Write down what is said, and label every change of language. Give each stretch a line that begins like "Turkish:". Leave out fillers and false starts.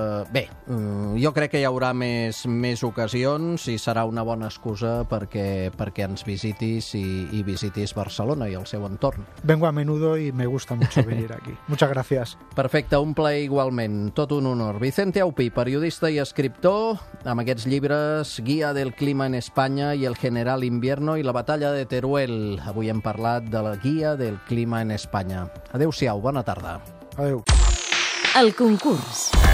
Catalan: Bé, jo crec que hi haurà més ocasions i serà una bona excusa perquè ens visitis i visitis Barcelona i el seu entorn.
Spanish: Vengo a menudo y me gusta mucho venir aquí. Muchas gracias.
Catalan: Perfecte, un plaer igualment. Tot un honor. Vicente Aupí, periodista i escriptor, amb aquests llibres Guía del clima en España i El general invierno i La batalla de Teruel. Avui hem parlat de la Guía del clima en España. Adéu-siau, bona tarda. Adéu. El concurs.